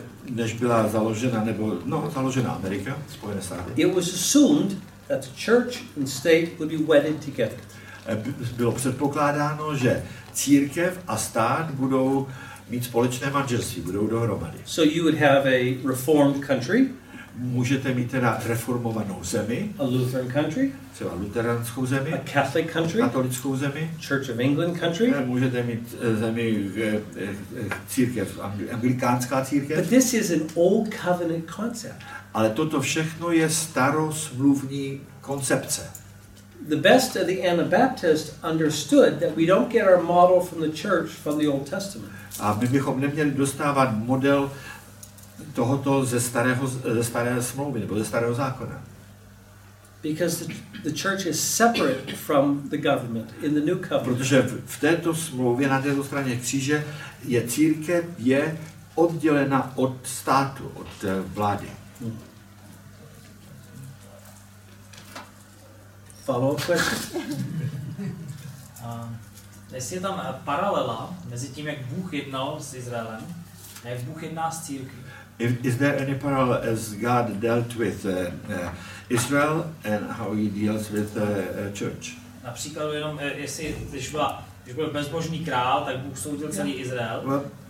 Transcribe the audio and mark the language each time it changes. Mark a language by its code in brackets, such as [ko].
[cs] Než byla založena, založena Amerika, Spojené státy. [en] It was assumed that the church and state would be wedded together. [cs] Bylo předpokládáno, že církev a stát budou mít společné manželství, budou dohromady. [en] So you would have a reformed country. [cs] Můžete mít teda reformovanou zemi. [en] A Lutheran country. [cs] Třeba luteránskou zemi. [en] A Catholic country. [cs] Katolickou zemi. [en] Church of England country. [cs] Můžete mít zemi církev, anglikánská církev. [en] But this is an old covenant concept. [cs] Ale toto všechno je starosmluvní koncepce. [en] The best of the Anabaptists understood that we don't get our model from the church from the Old Testament. [cs] A my bychom neměli dostávat model tohoto ze staré smlouvy nebo ze starého zákona. [en] Because the church is separate from the government in the new covenant. [cs] Protože v této smlouvě na této straně kříže je církev je oddělena od státu, od vlády. [en] Follow up question. [cs] Jestli je tam paralela mezi tím, jak Bůh jednal s Izraelem, a jak Bůh jedná s církví. [en] Is there any parallel as God dealt with Israel and how he deals with the church? [cs] Například jenom, když byl bezbožný král, tak Bůh soudil celý Izrael.